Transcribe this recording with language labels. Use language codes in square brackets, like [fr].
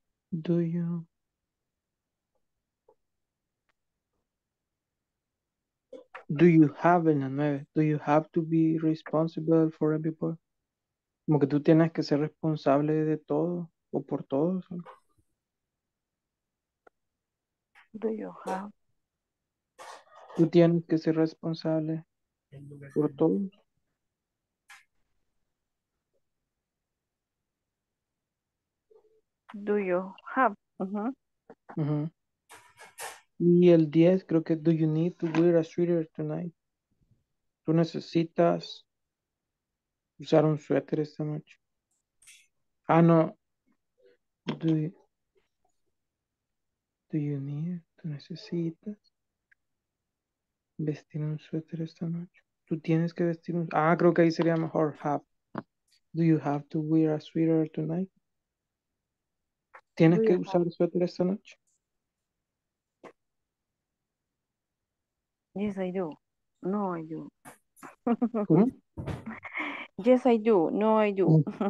[en] Do you... do you have [es] en la 9? [en] Do you have to be responsible for everybody? [es] Como que tú tienes que ser responsable de todo o por todos. [en] Do you have? [es] Tú tienes que ser responsable por todos. [en] Do you have? [es] Y el 10 creo que [en] do you need to wear a sweater tonight? [es] ¿Tú necesitas usar un suéter esta noche? Ah, no. ¿Tú necesitas vestir un suéter esta noche? ¿Tú tienes que vestir un suéter? Ah, creo que ahí sería mejor have. [en] ¿Do you have to wear a sweater tonight? [es] ¿Tienes que usar un suéter esta noche? [en] Yes, I do. No, I do. [es] ¿Cómo? [en] Yes, I do. No, I do.